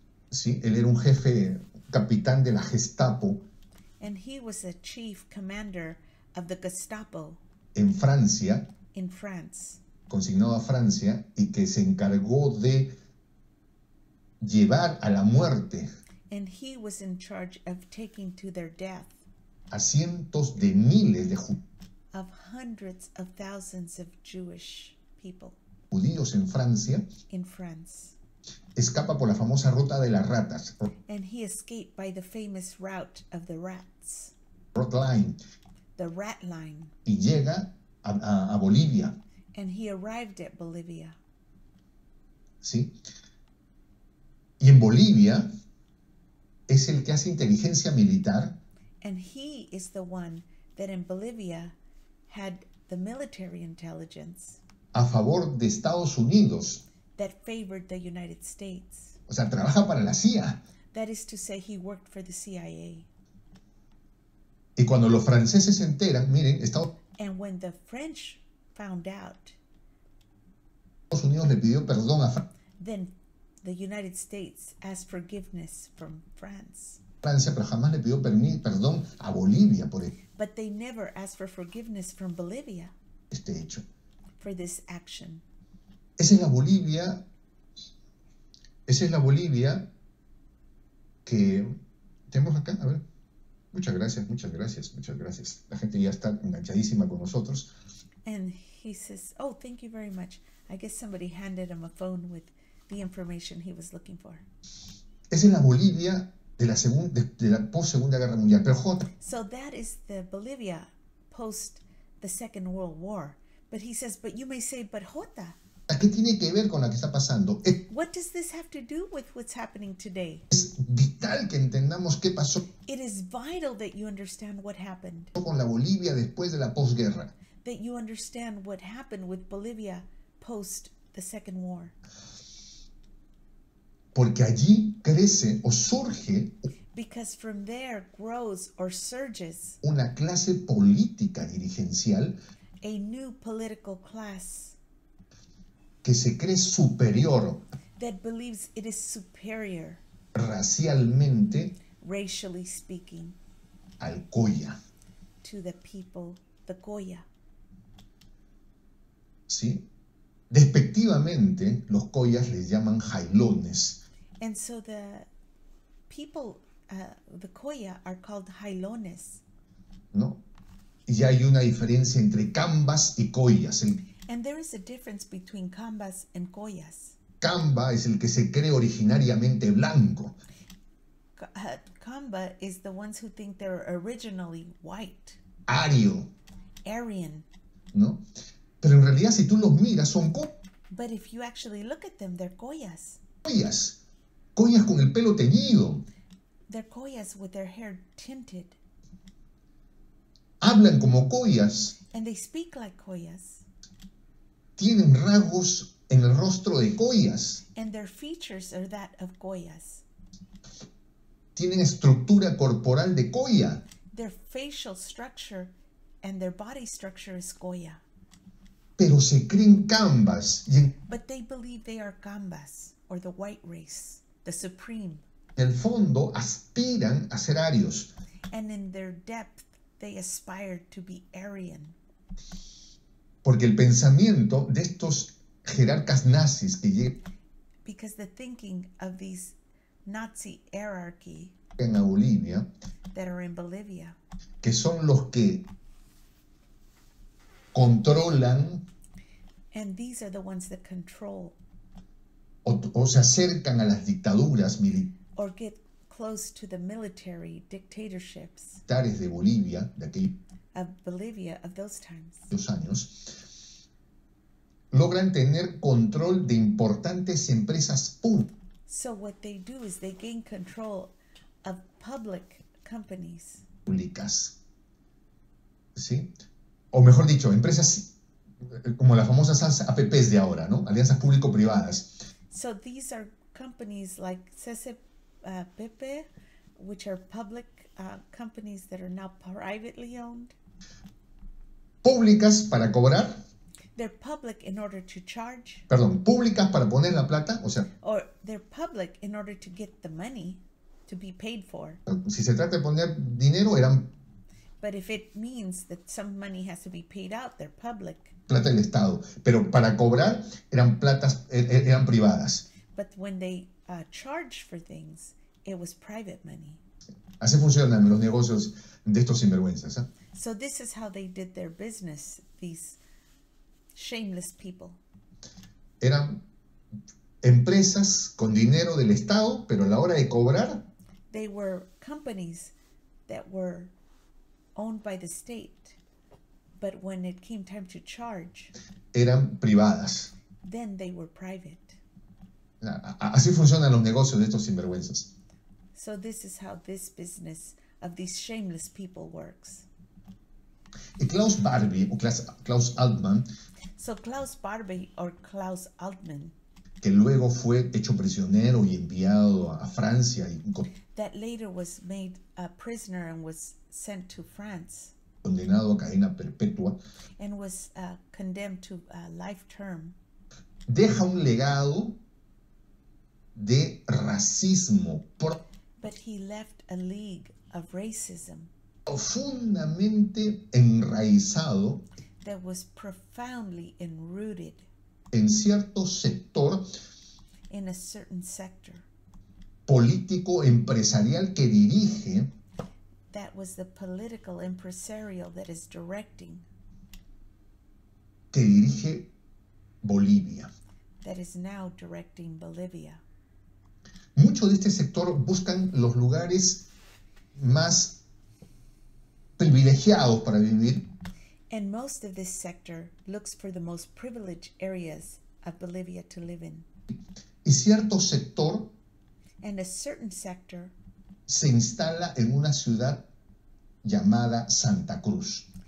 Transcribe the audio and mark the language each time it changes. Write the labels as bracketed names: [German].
[Spanish] Sí, él era un jefe, capitán de la Gestapo [English] and he was a chief commander of the Gestapo [Spanish] en Francia, [English] in France. [Spanish] consignado a Francia, y que se encargó de llevar a la muerte [English] And he was in charge of taking to their death [Spanish] a cientos de miles de [English] of hundreds of thousands of Jewish people [Spanish] judíos en Francia. [English] in France. [Spanish] Escapa por la famosa ruta de las ratas, [English] And he escaped by the famous route of the rats, Red Line, the rat line. [Spanish] y llega a Bolivia. [English] And he arrived at Bolivia. [Spanish] ¿Sí? Y en Bolivia es el que hace inteligencia militar [English] And he is the one that in Bolivia had the military intelligence [Spanish] a favor de Estados Unidos. [English] that favored the United States. [Spanish] O sea, trabaja para la CIA. [English] That is to say, he worked for the CIA. [Spanish] Y cuando los franceses se enteran, miren, [English] And when the French found out, [Spanish] Estados Unidos le pidió perdón a Francia. [English] then the United States asked forgiveness from France. [Spanish] Francia, pero jamás le pidió perdón a Bolivia por [English] But they never asked for forgiveness from Bolivia [Spanish] este hecho. [English] for this action. [Spanish] Esa es la Bolivia que tenemos acá. A ver, muchas gracias, muchas gracias, muchas gracias. La gente ya está enganchadísima con nosotros. [English] And he says, "Oh, thank you very much. I guess somebody handed him a phone with the information he was looking for." [Spanish] Es en la Bolivia de la segunda, de la post Segunda Guerra Mundial, pero J. [English] So that is the Bolivia post the Second World War. But he says, but you may say, but Jota, [Spanish] ¿A qué tiene que ver con lo que está pasando? [English] what does this have to do with what's happening today? [Spanish] Es vital que entendamos qué pasó [English] It is vital that you understand what happened. [Spanish] con la Bolivia después de la posguerra. [English] that you understand what happened with Bolivia post the Second War. [Spanish] Porque allí crece o surge [English] because from there grows or surges [Spanish] una clase política dirigencial, [English] a new political class [Spanish] que se cree superior, [English] that believes it is superior [Spanish] racialmente, [English] racially speaking, [Spanish] al Colla, [English] to the people, the Colla. [Spanish] ¿Sí? Despectivamente, los Collas les llaman jailones. [English] And so the people, the Colla, are called jailones. [Spanish] ¿No? Y hay una diferencia entre cambas y collas. [English] And there is a difference between cambas and collas. [Spanish] Camba es el que se cree originariamente blanco. [English] Camba is the ones who think they're originally white. [Spanish] Ario. [English] Aryan. [Spanish] ¿No? Pero en realidad, si tú los miras, son [English] but if you actually look at them, they're collas. [Spanish] Collas. Collas con el pelo teñido. [English] They're collas with their hair tinted. [Spanish] Hablan como collas. [English] And they speak like collas. [Spanish] Tienen rasgos en el rostro de collas. [English] And their features are that of collas. [Spanish] Tienen estructura corporal de colla. [English] Their facial structure and their body structure is colla. [Spanish] Pero se creen cambas. [English] But they believe they are cambas, or the white race, the supreme. [Spanish] En el fondo aspiran a ser arios. [English] And in their depth, they aspire to be Aryan. [Spanish] Porque el pensamiento de estos jerarcas nazis que [English] because the thinking of these Nazi hierarchy [Spanish] en Bolivia, [English] that are in Bolivia, [Spanish] que son los que controlan, [English] and these are the ones that control [Spanish] o se acercan a las dictaduras [English] or get close to the military dictatorships [Spanish] de Bolivia, de aquí, [English] of Bolivia of those times, [Spanish] dos años, logran tener control de importantes empresas públicas. [English] So what they do is they gain control of public companies. [Spanish] Públicas. ¿Sí? O mejor dicho, empresas como las famosas APPs de ahora, ¿no? Alianzas público-privadas. [English] So these are companies like CCPP, which are public companies that are now privately owned. [Spanish] Públicas para cobrar. [English] They're public in order to charge. [Spanish] Perdón, públicas para poner la plata, o sea. [English] Or they're public in order to get the money to be paid for. [Spanish] Si se trata de poner dinero, eran. [English] But if it means that some money has to be paid out, they're public. [Spanish] Plata del Estado, pero para cobrar eran platas, eran privadas. [English] But when they charge for things, it was private money. [Spanish] Así funcionan los negocios de estos sinvergüenzas, ¿eh? [English] So this is how they did their business, these shameless people. [Spanish] Eran empresas con dinero del Estado, pero a la hora de cobrar, [English] they were companies that were owned by the state, but when it came time to charge, [Spanish] eran privadas. [English] Then they were private. [Spanish] Así funcionan los negocios de estos sinvergüenzas. [English] So this is how this business of these shameless people works. [Spanish] Y Klaus Barbie, o Klaus Altman, [English] so Klaus Barbie or Klaus Altman, [Spanish] que luego fue hecho prisionero y enviado a Francia, y [English] that later was made a prisoner and was sent to France, [Spanish] condenado a cadena perpetua, [English] and was condemned to a life term, [Spanish] deja un legado de racismo, [English] but he left a league of racism [Spanish] profundamente enraizado, [English] that was profoundly enrooted [Spanish] en cierto sector, [English] in a certain sector [Spanish] político empresarial que dirige, [English] that was the political empresarial that is directing, [Spanish] que dirige Bolivia, [English] that is now directing Bolivia. [Spanish] Mucho de este sector buscan los lugares más privilegiados para vivir. [English] And most of this sector looks for the most privileged areas of Bolivia to live in. [Spanish] Y cierto sector, [English] and a certain sector, [Spanish] se instala en una ciudad llamada Santa Cruz.